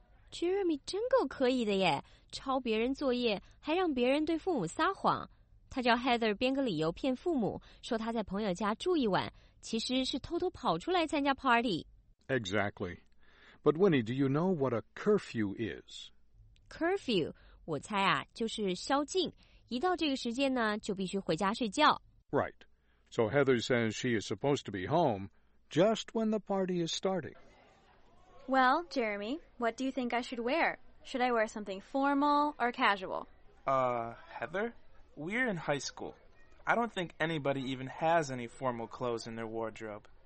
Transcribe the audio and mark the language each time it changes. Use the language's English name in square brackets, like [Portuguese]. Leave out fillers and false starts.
[Chinese] Jeremy 真够可以的耶，抄别人作业还让别人对父母撒谎。他叫 Heather 编个理由骗父母，说他在朋友家住一晚，其实是偷偷跑出来参加 party。 [English] Exactly. But Winnie, do you know what a curfew is? [Chinese] Curfew, 我猜啊，就是宵禁。一到这个时间呢，就必须回家睡觉。 [English] Right. So Heather says she is supposed to be home just when the party is starting. Well, Jeremy, what do you think I should wear? Should I wear something formal or casual? Heather, we're in high school. I don't think anybody even has any formal clothes in their wardrobe.